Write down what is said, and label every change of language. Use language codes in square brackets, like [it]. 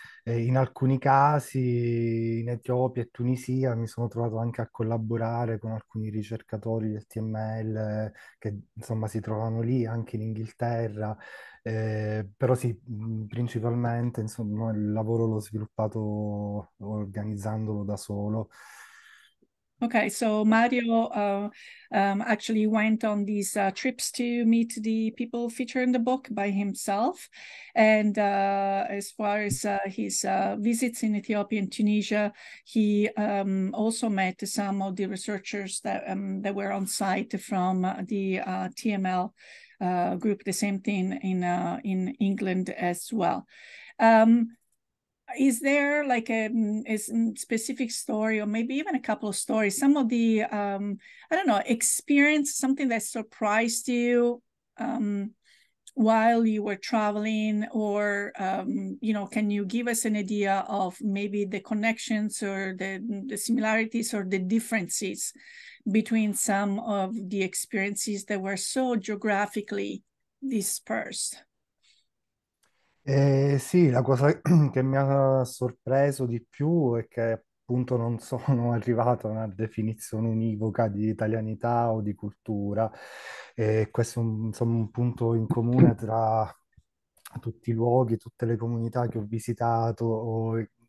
[it] In alcuni casi in Etiopia e Tunisia mi sono trovato anche a collaborare con alcuni ricercatori del TML che insomma si trovano lì, anche in Inghilterra, però sì, principalmente insomma il lavoro l'ho sviluppato organizzandolo da solo. [en] Okay, so Mario actually went on these trips to meet the people featured in the book by himself. And as far as his visits in Ethiopia and Tunisia, he also met some of the researchers that that were on site from the TML group, the same thing in England as well. Is there like a specific story, or maybe even a couple of stories, some of the, I don't know, experience, something that surprised you while you were traveling, or, you know, can you give us an idea of maybe the connections or the similarities or the differences between some of the experiences that were so geographically dispersed? [it] Sì, la cosa che mi ha sorpreso di più è che appunto non sono arrivato a una definizione univoca di italianità o di cultura, e questo è insomma un punto in comune tra tutti i luoghi, tutte le comunità che ho visitato,